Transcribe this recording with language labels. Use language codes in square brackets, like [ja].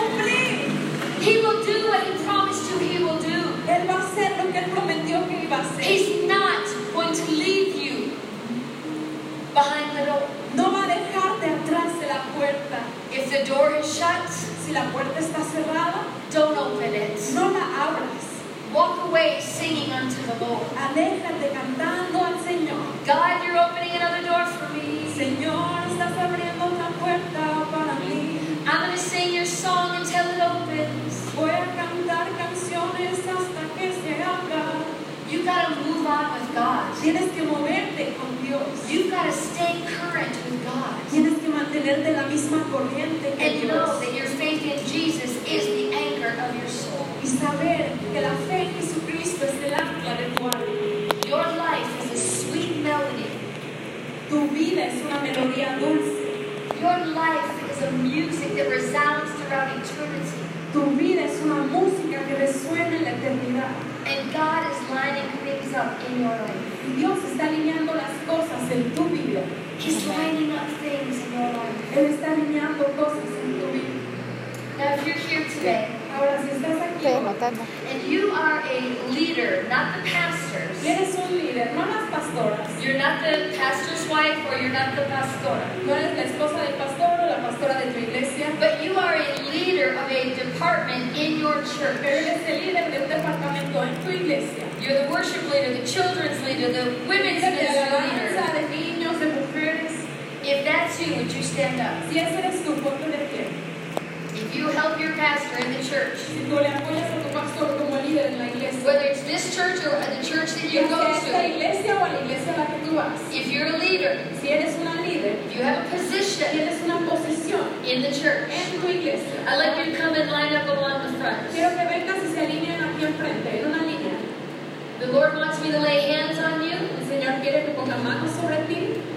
[en] He will do what He promised you He will do. [es] Él va a hacer lo que Él prometió que iba a hacer. [en] He's not going to leave you behind the door. [es] No va a dejarte atrás de la puerta. [en] If the door is shut, [es] si la puerta está cerrada, [en] don't open it. [es] No la abras. [en] Walk away singing unto the Lord. [es] Aléjate cantando al Señor. [en] God, you're opening another door for me. [es] Señor, estás abriendo otra puerta para mí. [en] I'm going to sing your song until it opens. [es] Voy a cantar canciones hasta que se abra. [en] You've got to move on with God. [es] Tienes que moverte con Dios. [en] You've got to stay current with God. [es] Tienes que mantenerte la misma corriente que [en] and [es] Dios. [en] Know that your faith in Jesus is the anchor of your soul. [es] Y saber que la fe en Jesucristo es el ancla de tu alma. [en] Your life is a sweet melody. [es] Tu vida es una melodía dulce. [en] Your life is a music that resounds throughout eternity. [es] Tu vida es una música que resuena en la eternidad. [en] And God is lining things up in your life. [es] Dios está alineando las cosas en tu vida. [en] He's lining up things in your life. [es] Él está alineando cosas en tu vida. [en] Now, if you're here today, [es] ahora, si estás aquí, [en] and you are a leader, not the pastors, [es] eres un líder, no las pastoras, [en] you're not the pastor's wife or you're not the pastora, [es] no eres la esposa del pastor o la pastora de tu iglesia, [en] but you are a leader of a department in your church. [es] Pero eres el líder de un departamento en tu iglesia. [en] You're the worship leader, the children's leader, the women's leader. [es] De niños, de mujeres. [en] If that's you, would you stand up? [es] Si ese eres tú, ponte de pie. [en] If you help your pastor in the church, [es] si tú le apoyas a tu pastor como líder en la iglesia, [en] whether it's this church or the church that you go to, [es] la iglesia o la iglesia a la que tú vas, [en] if you're a leader, [es] si eres una líder, [en] if you have a position, [es] si eres una posición, [en] in the church, [es] en tu iglesia, [en] I'd like you to come and line up along the front. [es] Quiero que vengas y se alineen aquí enfrente, en una línea. [en] The Lord wants me to lay hands on you. [es] El Señor quiere que ponga manos sobre ti.